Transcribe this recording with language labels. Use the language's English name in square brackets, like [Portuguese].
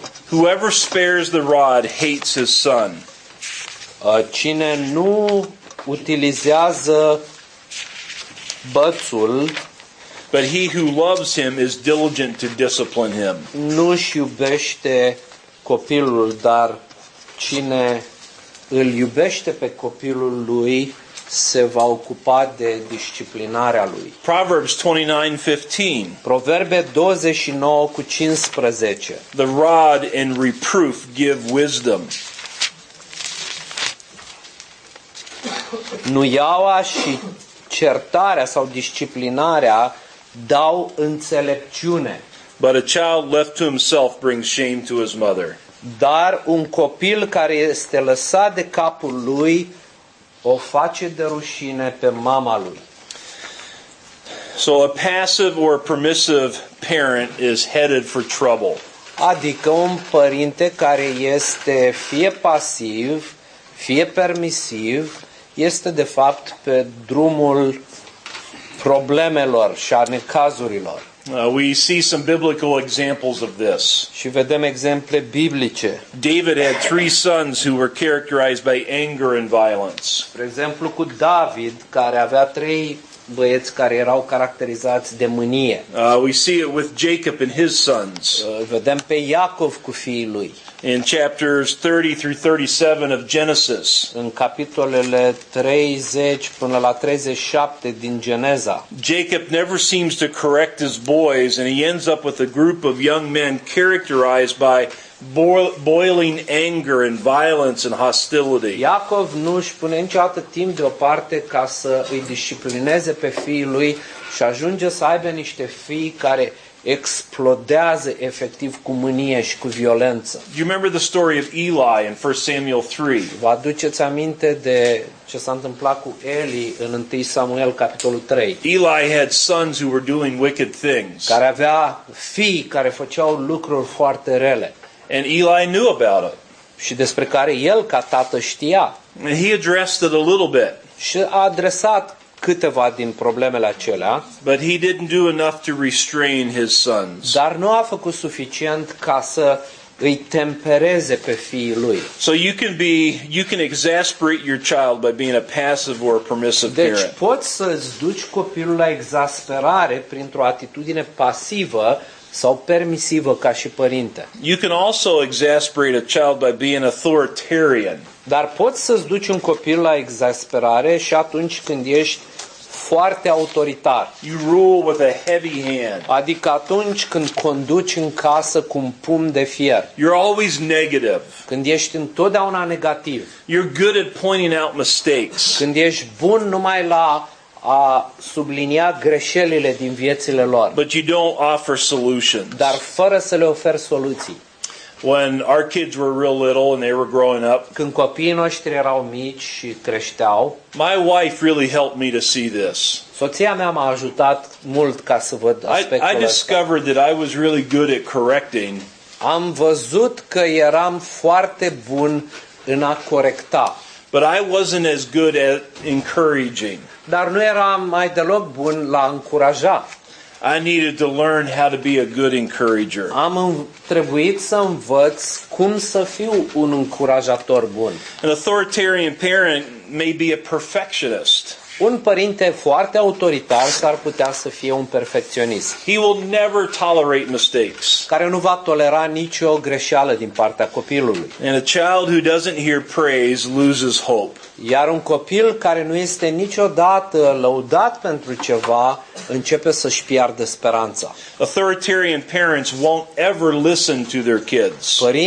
[English] Whoever spares the rod hates his son. [Romanian] Cine nu utilizează bățul, [English] but he who loves him is diligent to discipline him. [Romanian] Nu-și iubește copilul, dar cine îl iubește pe copilul lui se va ocupa de disciplinarea lui. [English] Proverbs 29:15. [Romanian] Proverbe 29:15. [English] The rod and reproof give wisdom. [Romanian] Nuiaua și certarea sau disciplinarea dau înțelepciune. [English] But a child left to himself brings shame to his mother. [Romanian] Dar un copil care este lăsat de capul lui o face de rușine pe mama lui. [English] So a passive or permissive parent is headed for trouble. [Romanian] Adică un părinte care este fie pasiv, fie permisiv, este de fapt pe drumul problemelor și a necazurilor. [English] We see some biblical examples of this. [Romanian] Și vedem exemple biblice. [English] David had three sons who were characterized by anger and violence. [Romanian] Spre exemplu, cu David, care avea trei băieți care erau caracterizați de mânie. [English] We see it with Jacob and his sons. [Romanian] Vedem pe Iacov cu fiii lui. [English] In chapters 30 through 37 of Genesis. [Romanian] În capitolele 30 până la 37 din Geneza. [English] Jacob never seems to correct his boys and he ends up with a group of young men characterized by boiling anger and violence and hostility. [Romanian] Iacov nu își pune niciodată timp deoparte ca să îi disciplineze pe fiii lui și ajunge să aibă niște fii care explodează efectiv cu mânie și cu violență. [English] You remember the story of Eli in 1 Samuel 3? [Romanian] Vă aduceți aminte de ce s-a întâmplat cu Eli în 1 Samuel capitolul 3? [English] Eli had sons who were doing wicked things. [Romanian] Care avea fii care făceau lucruri foarte rele. [English] And Eli knew about it. [Romanian] Și despre care el ca tată știa. [English] And he addressed it a little bit. [Romanian] Și a adresat câteva din problemele acelea. [English] But he didn't do enough to restrain his sons. [Romanian] Dar nu a făcut suficient ca să îi tempereze pe fiii lui. [English] So you can exasperate your child by being a passive or a permissive [Romanian] deci [English] parent. [Romanian] Deci poți să îți duci copilul la exasperare printr-o atitudine pasivă sau permisivă ca și părinte. [English] You can also exasperate a child by being authoritarian. [Romanian] Dar poți să-ți duci un copil la exasperare și atunci când ești foarte autoritar. [English] You rule with a heavy hand. [Romanian] Adică atunci când conduci în casă cu un pumn de fier. [English] You're always negative. [Romanian] Când ești întotdeauna negativ. [English] You're good at pointing out mistakes. [Romanian] Când ești bun numai la a sublinia greșelile din viețile lor. [English] But you don't offer solutions. [Romanian] Dar fără să le oferi soluții. [English] When our kids were real little and they were growing up, [Romanian] când copiii noștri erau mici și creșteau, [English] my wife really helped me to see this. [Romanian] Soția mea m-a ajutat mult ca să văd aspectul ăsta. [English] I discovered that I was really good at correcting. [Romanian] Am văzut că eram foarte bun în a corecta. [English] But I wasn't as good at encouraging. [Romanian] Dar nu eram mai deloc bun la a încuraja. [English] I needed to learn how to be a good encourager. [Romanian] Am trebuit să învăț cum să fiu un încurajator bun. [English] An authoritarian parent may be a perfectionist. [Romanian] Un părinte foarte autoritar s-ar putea să fie un perfecționist. [English] He will never tolerate mistakes. [Romanian] Care nu va tolera nicio greșeală din partea copilului. [English] And a child who doesn't hear praise loses hope. [Romanian] Iar un copil care nu este niciodată lăudat pentru ceva începe să-și piardă speranța. [English] Authoritarian parents won't ever listen to their kids.